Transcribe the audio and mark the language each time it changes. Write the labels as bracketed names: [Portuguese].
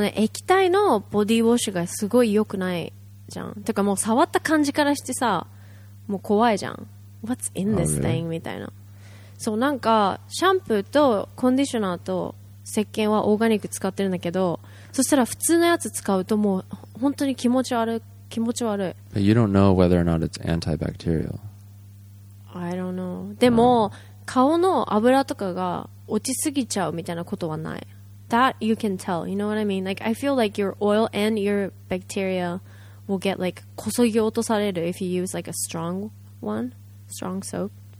[Japanese] ね、液体のボディウォッシュがすごい良くないじゃん。てかもう触った感じからしてさ、もう怖いじゃん。 [English] What's in this thing? [Japanese] みたいな。そう、なんかシャンプーとコンディショナーと石鹸はオーガニック使ってるんだけど、そしたら普通のやつ使うともう本当に気持ち悪い。 [English] But you don't know whether or not it's antibacterial. I don't know. [Japanese] でも、顔の油とかが落ちすぎちゃうみたいなことはない。 [English] That you can tell. You know what I mean? Like, I feel like your oil and your bacteria will get like, [Japanese] こそぎ落とされる [English] if you use like a strong one, strong soap.